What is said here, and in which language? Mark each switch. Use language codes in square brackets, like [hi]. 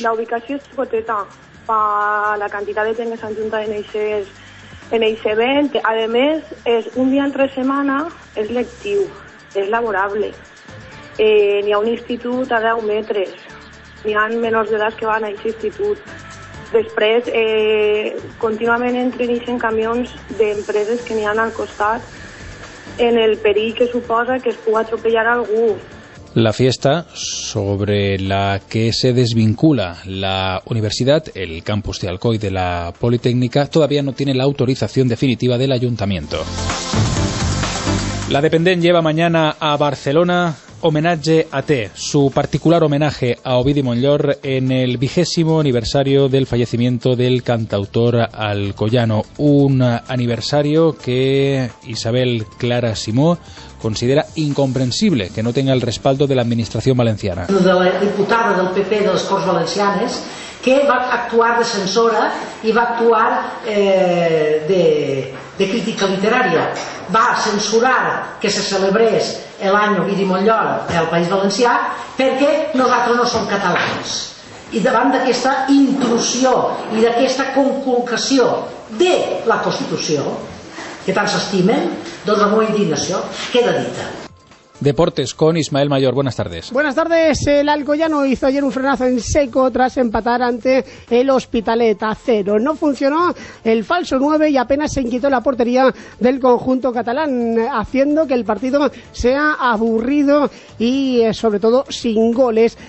[es] La ubicación es poteta para la cantidad de gente adjunta en ese evento. Además, es un día entre semana, es lectivo, es laborable, ni a un instituto ha dado metres. [ca] Hi ha menors d'edat que van a l'institut. Després, contínuament entren i eixen camions d'empreses que n'hi ha al costat en el perill que suposa que es pugui atropellar algú. [es] La fiesta sobre la que se desvincula la universidad, el campus de Alcoy de la Politécnica, todavía no tiene la autorización definitiva del ayuntamiento. La Dependent lleva mañana a Barcelona homenaje a T, su particular homenaje a Ovidi Montllor en el vigésimo aniversario del fallecimiento del cantautor alcoyano. Un aniversario que Isabel Clara Simó considera incomprensible que no tenga el respaldo de la administración valenciana. [ca] De la diputada del PP de les Corts Valencianes, que va actuar de censora i va actuar de crítica literària. Va censurar que se celebrés l'any Ovidi Montllor al País Valencià perquè nosaltres no som catalans. I davant d'aquesta intrusió i d'aquesta conculcació de la Constitució, que tant s'estimen, doncs la meva indignació queda dita. [es] Deportes con Ismael Mayor. Buenas tardes. Buenas tardes. El alcoyano hizo ayer un frenazo en seco tras empatar ante el Hospitalet a cero. No funcionó el falso 9 y apenas se inquietó la portería del conjunto catalán, haciendo que el partido sea aburrido y sobre todo sin goles.